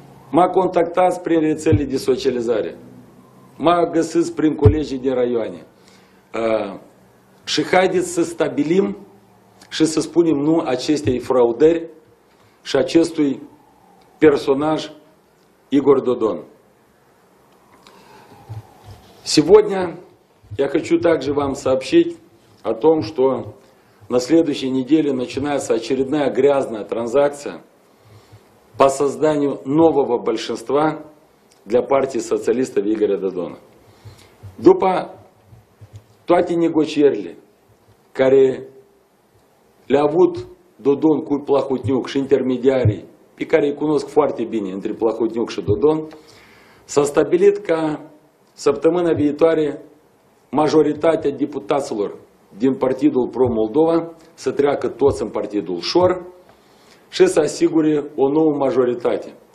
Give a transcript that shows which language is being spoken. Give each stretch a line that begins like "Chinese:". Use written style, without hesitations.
Romanian: M-a contactat prin rețele de socializare. M-a găsit prin colegii din raioane. Și haideți să stabilim și să spunem nu acestei fraudări și acestui personaj Igor Dodon.
Russian: Сегодня я хочу также вам сообщить о том, что на следующей неделе начинается очередная грязная транзакция по созданию нового большинства для партии социалистов Игоря Дадона.
Romanian: După toate negocierile care le-a avut Dodon cu Plahotniuc și intermediarii, pe care îi cunosc foarte bine între Plahotniuc și Dodon, s-a stabilit ca săptămâna viitoare majoritatea deputaților din Partidul Pro-Moldova să treacă toți în Partidul Șor și să asigure o nouă majoritate.